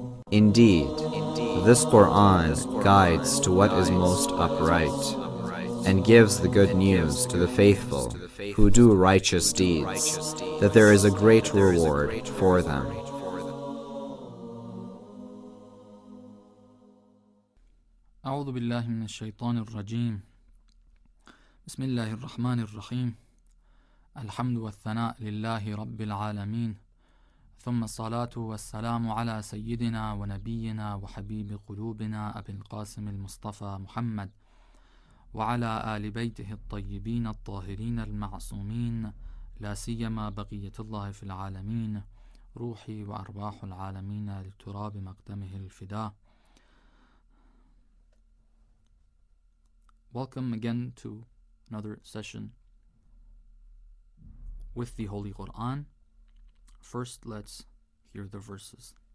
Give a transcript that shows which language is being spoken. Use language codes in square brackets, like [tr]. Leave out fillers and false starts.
[en] Indeed, this Quran guides to what is most upright and gives the good news to the faithful who do righteous deeds, that there is a great reward for them. [ar] أعوذ بالله من الشيطان الرجيم بسم الله الرحمن الرحيم الحمد والثناء لله رب العالمين ثم الصلاة والسلام على سيدنا ونبينا وحبيب قلوبنا أبي القاسم المصطفى محمد وعلى آل بيته الطيبين الطاهرين المعصومين لا سيما بقية الله في العالمين روحي وأرواح العالمين لتراب مقدمه الفداء. [en] Welcome again to another session with the Holy Quran. First, let's hear the verses.